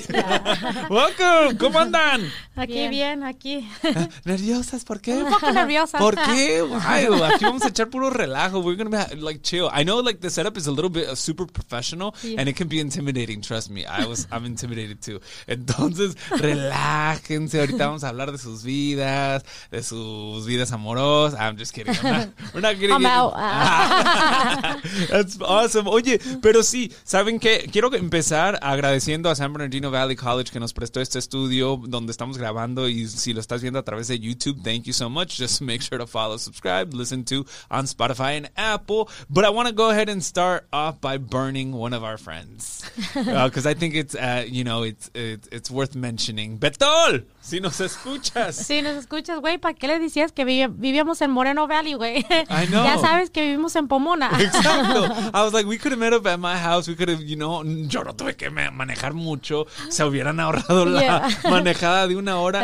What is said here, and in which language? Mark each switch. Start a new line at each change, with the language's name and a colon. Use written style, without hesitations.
English: Yeah. Welcome.
Spanish: ¿Cómo andan? Aquí bien, aquí. ¿Nerviosas? ¿Por qué? Un poco nerviosas. ¿Por qué? Why? Aquí vamos a echar puro relajo.
English: We're going to be like chill. I know like the setup is a little bit super professional, yeah, and it can be intimidating, trust me. I'm intimidated too.
Spanish: Entonces, relájense. Ahorita vamos a hablar de sus vidas, amorosas.
English: I'm just kidding. We're not getting I'm getting, out. That's awesome.
Spanish: Oye, pero sí, ¿saben qué? Quiero empezar agradeciendo a San Bernardino Valley College que nos prestó este estudio donde estamos grabando, y si lo estás viendo a través de YouTube,
English: thank you so much. Just make sure to follow, subscribe, listen to on Spotify and Apple. But I want to go ahead and start off by burning one of our friends, because I think it's worth mentioning.
Spanish: Betol, si nos escuchas. Si nos escuchas, güey, ¿para qué le decías que vivíamos en Moreno Valley, güey?
English: I know.
Spanish: Ya sabes que vivimos en Pomona. Exacto.
English: I was like, we could have met up at my house. We could have, you know,
Spanish: yo no tuve que manejar mucho. Se hubieran ahorrado la manejada de una hora.